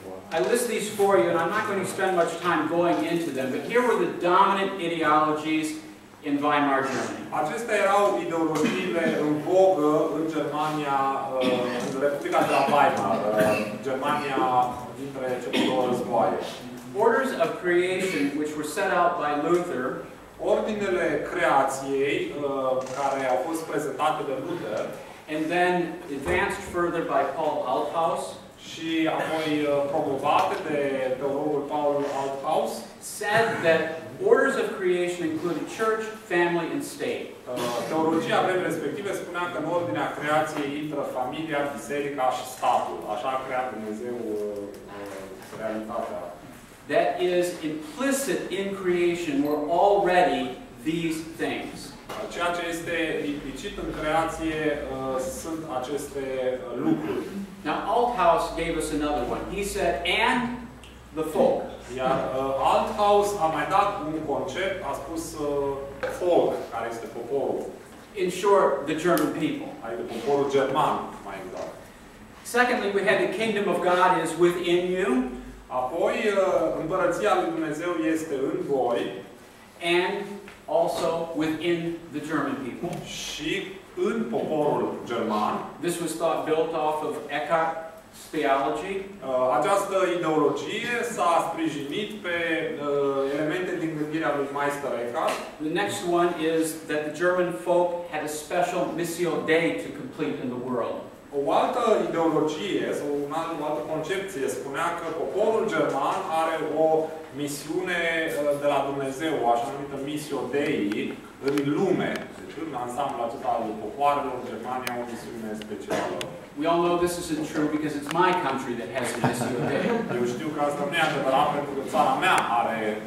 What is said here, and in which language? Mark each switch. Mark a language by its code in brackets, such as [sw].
[en] I list these for you, and I'm not going to spend much time going into them, but here were the dominant ideologies in Weimar Germany. [ro] Acestea erau ideologiile în vogă în Germania, în Republica de la Weimar, Germania dintre cele două războaie. [en] Orders of creation which were set out by Luther, [ro] ordinele creației care au fost prezentate de Luther, [en] and then advanced further by Paul Althaus, [ro] și apoi promovate de teologul Paul Althaus, [en] said that orders of creation include church, family, and state. [ro] Teologia vremii respective spunea că în ordinea creației intră familia, biserica și statul. Așa a creat Dumnezeu realitatea. [en] That is implicit in creation were already these things. [ro] Ceea ce este implicit în creație sunt aceste lucruri. [en] Now Althaus gave us another one. He said, and the folk. [ro] Iar Althaus a mai dat un concept, a spus folk, care este poporul. [en] In short, the German people. [ro] Adică poporul german, mai exact. [en] Secondly, we had the kingdom of God is within you. [ro] Apoi, împărăția lui Dumnezeu este în voi. [en] And also within the German people. [ro] Și în poporul german. [en] This was thought built off of Eckhart. Theology. [ro] Această ideologie s-a sprijinit pe elemente din gândirea lui Meister Eckhart. [en] The next one is that the German folk had a special missio dei to complete in the world. [ro] O altă ideologie, sau o altă concepție, spunea că poporul german are o misiune de la Dumnezeu, așa numită missio dei, în lume. Deci, în ansamblu acesta al popoarelor, Germania o misiune specială. [en] We all know this isn't true because it's my country that has a missio dei. [ro] Eu știu că asta nu e adevărat pentru că țara mea are